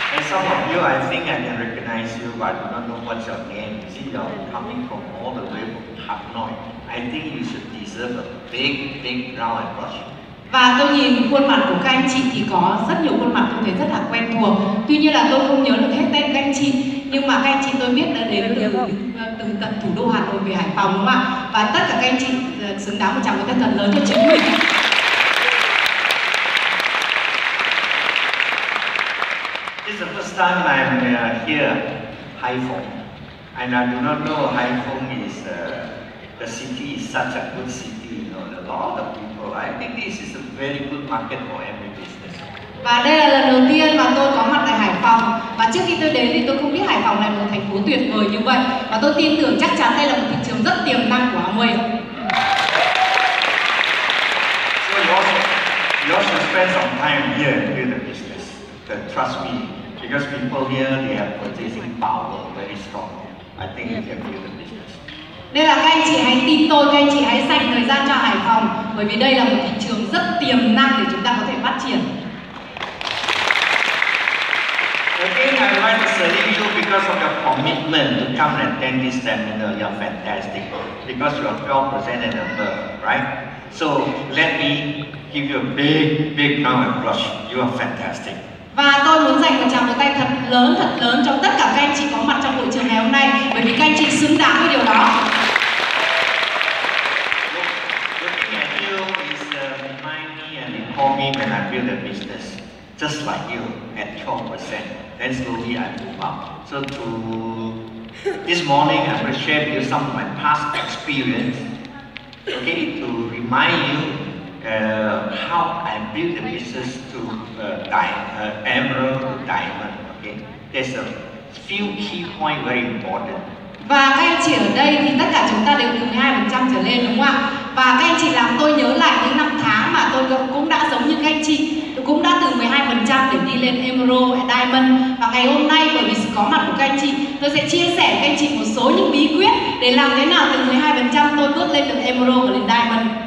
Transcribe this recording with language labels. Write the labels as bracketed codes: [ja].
[en] Some of you, I think I can recognize you, but I don't know what's your name. You see, you're coming from all the way from Hanoi. I think you should deserve a big, big round of applause. [vi] Và tôi nhìn khuôn mặt của các anh chị thì có rất nhiều khuôn mặt tôi thấy rất là quen thuộc. Tuy nhiên là tôi không nhớ được hết tên các anh chị, nhưng mà các anh chị tôi biết đã đến từ tận thủ đô Hà Nội về Hải Phòng, đúng không ạ? Và tất cả các anh chị xứng đáng một tràng pháo tay thật lớn cho chính mình. [en] Time I'm here, Haiphong, and I do not know Haiphong is the city is such a good city, you know, a lot of people. I think this is a very good market for every business. [vi] Và đây là lần đầu tiên mà tôi có mặt tại Hải Phòng, và trước khi tôi đến thì tôi không biết Hải Phòng là một thành phố tuyệt vời như vậy, và tôi tin tưởng chắc chắn đây là một thị trường rất tiềm năng của Amway. [en] So you also spend some time here to build the business. But trust me. Because people here, they have purchasing power very strong. I think you can build the business. [vi] Nên là các anh chị hãy tin tôi, các anh chị hãy dành thời gian cho Hải Phòng, bởi vì đây là một thị trường rất tiềm năng để chúng ta có thể phát triển. [en] Okay, I'd like to salute you because of your commitment to come and attend this seminar. You're fantastic because you are 12% and above, right? So let me give you a big, big round of applause. You are fantastic. [vi] Và tôi muốn dành một tràng pháo tay thật lớn cho tất cả các anh chị có mặt trong buổi trường ngày hôm nay, bởi vì các anh chị xứng đáng với điều đó. [en] Looking at you is remind me and recall me when I build a business, just like you at 12%. Then slowly I move up. So to this morning, I'm going to share with you some of my past experience. Okay, to remind you. How I build the business to emerald diamond. Okay, there's a few key points very important. [vi] Và các anh chị ở đây thì tất cả chúng ta đều từ 2% trở lên, đúng không ạ? Và các anh chị làm tôi nhớ lại những năm tháng mà tôi cũng đã giống như các anh chị, tôi cũng đã từ 12% để đi lên emerald hay diamond. Và ngày hôm nay, bởi vì sự có mặt của các anh chị, tôi sẽ chia sẻ với các anh chị một số những bí quyết để làm thế nào từ 12% tôi bước lên được emerald và lên diamond.